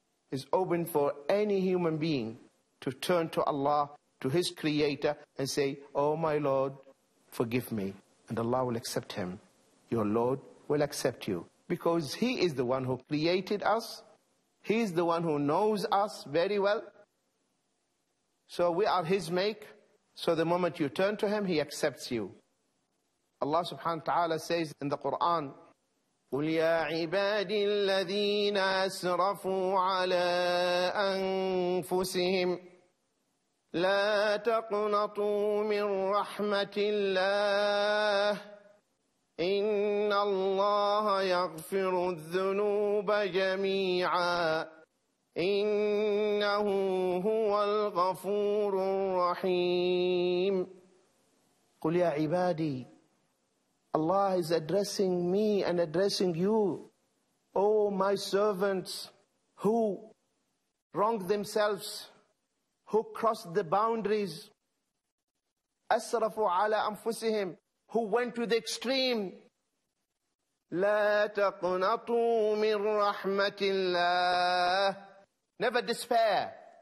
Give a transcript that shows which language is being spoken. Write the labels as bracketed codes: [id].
[en] Is open for any human being to turn to Allah, to his creator, and say, Oh my Lord, forgive me. And Allah will accept him. Your Lord will accept you. Because he is the one who created us. He is the one who knows us very well. So we are his make. So the moment you turn to him, he accepts you. Allah subhanahu wa ta'ala says in the Quran, [ar] قُلْ يَا عِبَادِ الَّذِينَ أَسْرَفُوا عَلَىٰ أَنفُسِهِمْ لَا تَقْنَطُوا مِنْ رَحْمَةِ اللَّهِ إِنَّ اللَّهَ يَغْفِرُ الذُّنُوبَ جَمِيعًا إِنَّهُ هُوَ الْغَفُورُ الرَّحِيمُ قُلْ يَا عِبَادِي [en] Allah is addressing me and addressing you. Oh, my servants who wronged themselves, who crossed the boundaries, [ar] asrafu ala anfusihim, [en] who went to the extreme. [ar] La taqnatu min rahmatillah. [en] Never despair.